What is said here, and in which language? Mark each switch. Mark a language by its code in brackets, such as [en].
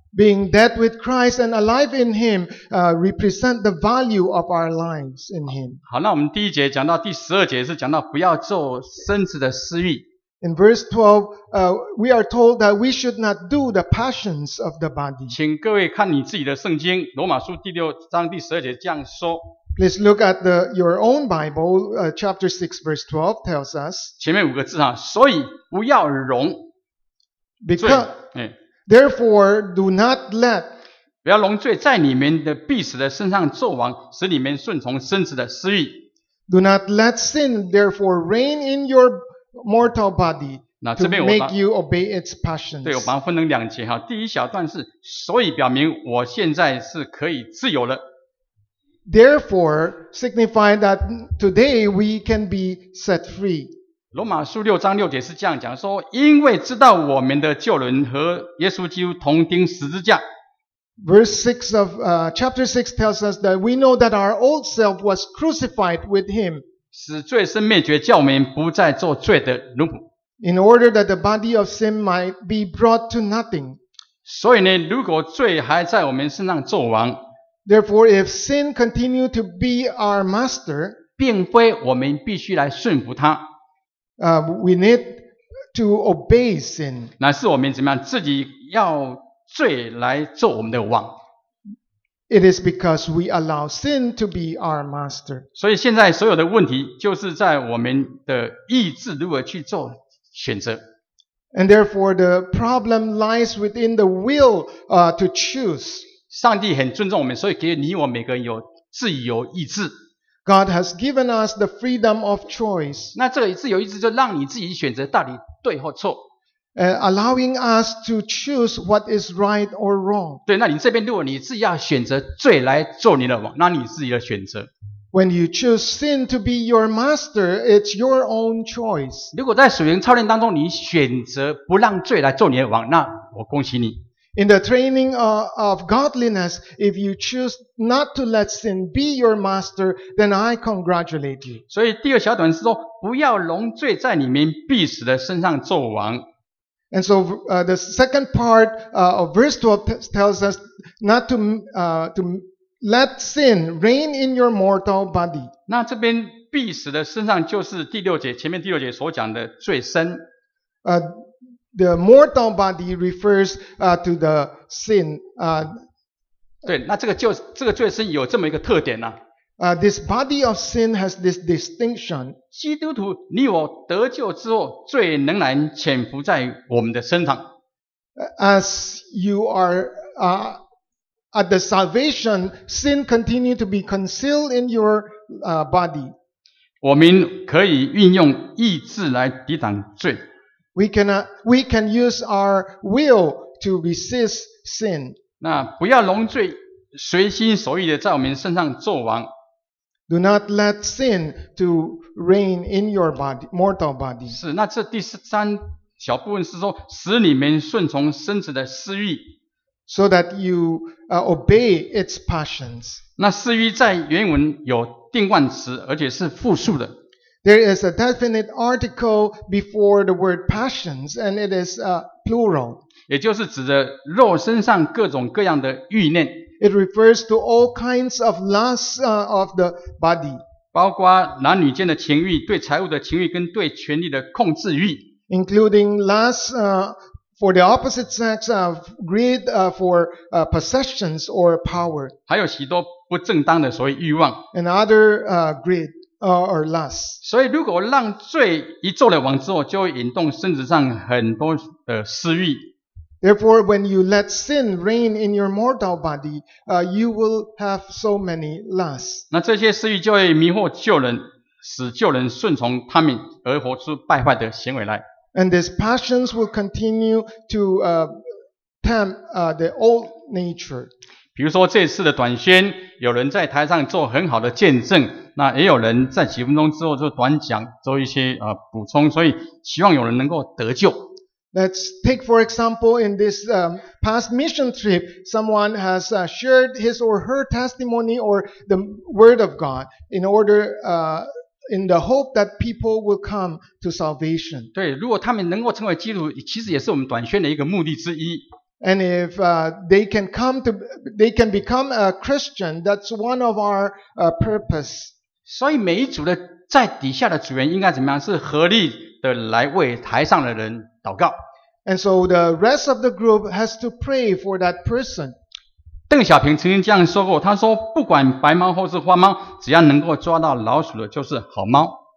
[en] Being dead with Christ and alive in Him, represent the value of our lives in Him. [zh] 好，那我们第一节讲到第十二节是讲到不要做身子的私欲。 [en] In verse 12, we are told that we should not do the passions of the body. [zh] 请各位看你自己的圣经，罗马书第六章第十二节这样说。 [en] Please look at your own Bible, chapter 6 verse 12 tells us. [zh] 前面五个字啊，所以不要容。 [en] Because, Therefore, do not let, [zh] 不要容罪在你们的必死的身上作王，使你们顺从身子的私欲。 [en] Do not let sin, therefore, reign in your mortal body, to make you obey its passions. [zh] 对，我把它分成两节哈。第一小段是，所以表明我现在是可以自由了。 [en] Therefore, signify that today we can be set free. [zh] 罗马书六章六节是这样讲说，因为知道我们的救人和耶稣基督同钉十字架。 [en] Verse 6 of, chapter 6 tells us that we know that our old self was crucified with him. [zh] 使罪身灭绝，叫我们不再做罪的奴仆。 [en] In order that the body of sin might be brought to nothing. [zh] 所以呢，如果罪还在我们身上作王。 [en] Therefore, if sin continue to be our master, [zh] 并非我们必须来顺服他。 [en] We need to obey sin. [zh] 乃是我们怎么样自己要罪来做我们的王。 [en] It is because we allow sin to be our master. [zh] 所以现在所有的问题就是在我们的意志如何去做选择。 [en] And therefore the problem lies within the will, to choose. [zh] 上帝很尊重我们，所以给你我每个人有自由意志。 [en] God has given us the freedom of choice. [zh] 那这个自由意志就让你自己选择到底对或错。 [en] Allowing us to choose what is right or wrong. [zh] 对，那你这边如果你自己要选择罪来做你的王，那你自己的选择。 [en] When you choose sin to be your master, it's your own choice. [zh] 如果在属灵操练当中，你选择不让罪来做你的王，那我恭喜你。 [en] In the training of godliness, if you choose not to let sin be your master, then I congratulate you. [zh] 所以第二小段是说，不要容罪在你们必死的身上做王。 [en] And so, the second part, of verse 12 tells us not to, to let sin reign in your mortal body. [zh] 那这边必死的身上就是第六节，前面第六节所讲的罪身。 [en] The mortal body refers, to the sin, [zh] 对，那这个就，这个罪身有这么一个特点啊。 [en] This body of sin has this distinction. [zh] 基督徒，你我得救之后，罪仍然潜伏在我们的身上。 [en] As you are, at the salvation, sin continue to be concealed in your, body. [zh] 我们可以运用意志来抵挡罪。 [en] We can use our will to resist sin. [zh] 那不要容罪随心所欲的在我们身上作王。 [en] Do not let sin to reign in your body, mortal body. [zh] 是，那这第三小部分是说，使你们顺从身子的私欲。 [en] So that you obey its passions. [zh] 那私欲在原文有定冠词，而且是复数的。 [en] There is a definite article before the word passions, and it is plural. [zh] 也就是指着肉身上各种各样的欲念。 [en] It refers to all kinds of lusts of the body. [zh] 包括男女间的情欲，对财务的情欲跟对权力的控制欲。 [en] Including lusts for the opposite sex of greed for possessions or power. [zh] 还有许多不正当的所谓欲望。 [en] And other greed or lusts. [zh] 所以如果让罪一做了王之后，就会引动身子上很多的私欲。 [en] Therefore, when you let sin reign in your mortal body, you will have so many lusts. [zh] 那这些私欲就会迷惑旧人，使旧人顺从他们而活出败坏的行为来。 [en] And these passions will continue to tempt the old nature. [zh] 比如说这次的短宣，有人在台上做很好的见证，那也有人在几分钟之后就短讲，做一些补充，所以希望有人能够得救。 [en] Let's take for example in this past mission trip, someone has shared his or her testimony or the word of God in order in the hope that people will come to salvation. [zh] 对，如果他们能够成为基督徒，其实也是我们短宣的一个目的之一。 [en] And if they can become a Christian, that's one of our purpose. [zh] 所以每一组的在底下的组员应该怎么样？是合力的来为台上的人祷告。 [en] And so the rest of the group has to pray for that person. [zh] 邓小平曾经这样说过，他说不管白猫或是花猫，只要能够抓到老鼠的就是好猫。